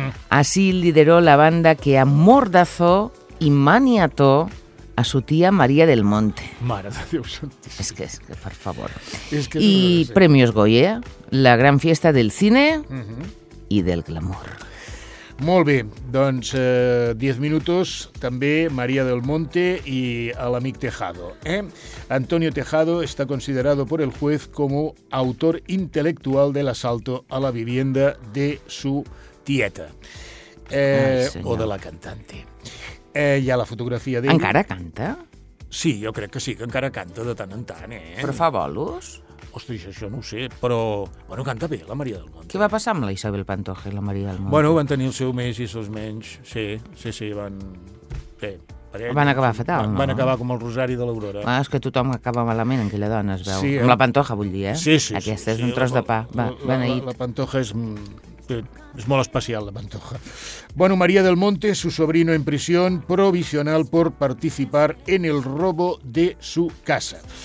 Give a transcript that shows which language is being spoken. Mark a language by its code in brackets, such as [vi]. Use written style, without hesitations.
[es] Así lideró la banda que amordazó y maniató a su tía María del Monte. [ca] Mare de Déu Santíssim. És que, per favor. És que [es] I Premios Goya, la gran fiesta del cine i del glamour. [ca] Molt bé, doncs 10 minuts també María del Monte i l'amic Tejado. Antonio Tejado està considerat per el juez com autor intel·lectual de l'assalto [es] a la vivienda de su [ca] tieta. Ay, [es] o de la cantante. [ca] Hi ha la fotografia d'ell. Encara canta? Sí, jo crec que sí, que encara canta de tant en tant. Però fa bolos? Ostres, això no ho sé, però... Bueno, canta bé, la María del Monte. Què va passar amb la Isabel Pantoja i la María del Monte? Bueno, van tenir el seu més i els menys. Sí, van... Bé, parella, van acabar fatal, van, no? Van acabar com el Rosari de l'Aurora. Ah, és que tothom acaba malament, aquella dona, es veu. Sí, amb la Pantoja, vull dir, eh? Sí. Aquesta sí, és un tros de pa. Va, beneït. La Pantoja és... És molt especial, la Pantoja. [es] Bueno, María del Monte, su sobrino en prisión provisional por participar en el robo de su casa.